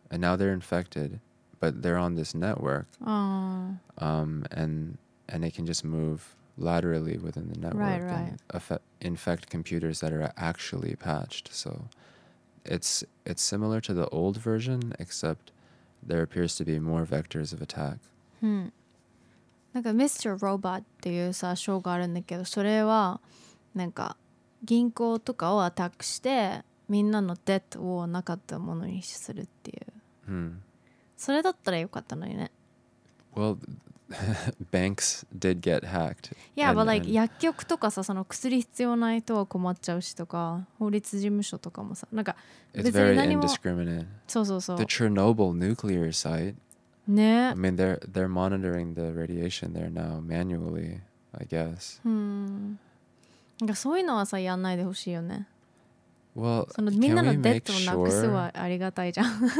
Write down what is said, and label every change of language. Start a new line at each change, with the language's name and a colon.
English: And now they're infected, but they're on this network. And they can just move laterally within the network. Right, right. And infect computers that are actually patched. So it's similar to the old version, except there appears to be more vectors of attack.
Japanese: なんか Mr. Robot っていうさ、ショーがあるんだけど、それはなんか銀行とかをアタックしてみんなのデッドをなかったものにするっていう。それだったらよかったのにね。
English: Well, banks did get hacked. Yeah, but like
Japanese: 薬局とかさ、その薬必要ない人は困っちゃうしとか、法律事務所とかもさ、なんか
English: It's very indiscriminate.
Japanese: そうそうそう。
English: The Chernobyl nuclear site.
Japanese: ね。
English: I mean, they're monitoring the radiation there now manually, I guess.
Japanese: なんかそういうのはさ、やんないでほしいよね。
English: Well,
Japanese: そのみんなのデッドをなくすはありがたいじゃん。